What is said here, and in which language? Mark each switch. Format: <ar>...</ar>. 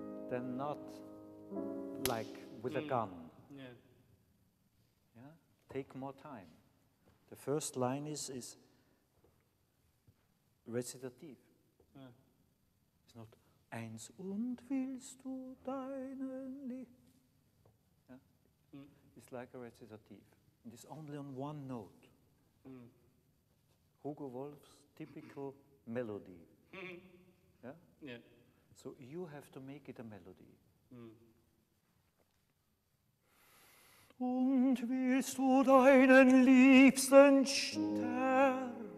<en>Then not like with a gun. Yeah, take more time. The first line is recitative. Yeah. It's not</en> <de>eins und willst du deinen Lied.</de> <en>Yeah? Mm. It's like a recitative. And it's only on one note. Mm. Hugo Wolf's typical melody. Yeah. So you have to make it a melody. Mm.</en> <de>Und willst du deinen liebsten Stern?</de>